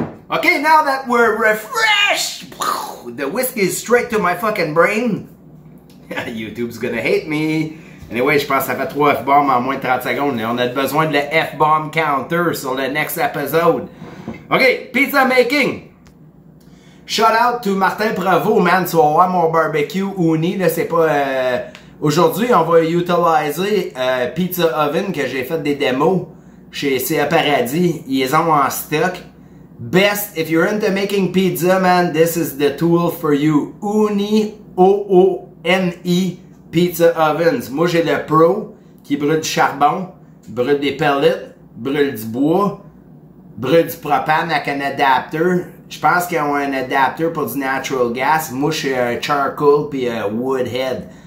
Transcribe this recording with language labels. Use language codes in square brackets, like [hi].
[en] Okay, now that we're refreshed, the whiskey is straight to my fucking brain. YouTube's gonna hate me. Anyway, [fr] je pense que ça fait 3 F-bombs en moins de 30 secondes. On a besoin de la [en] F-bomb counter [fr] sur le [en] next episode. Okay, pizza making. Shout out to Martin Prevost, man. [fr] Tu vas voir mon barbecue Ooni. Là, c'est pas. Aujourd'hui, on va utiliser pizza oven que j'ai fait des démos chez c.a.paradis. Ils ont en stock. [en] Best, if you're into making pizza, man, this is the tool for you. Ooni, O-O-N-I, pizza ovens. [fr] Moi, j'ai le pro qui brûle du charbon, brûle des pellets, brûle du bois, brûle du propane avec un adapter. Je pense qu'ils ont un adapter pour du [en] natural gas. [fr] Moi, j'ai un [en] charcoal [fr] pis un [en] wood head.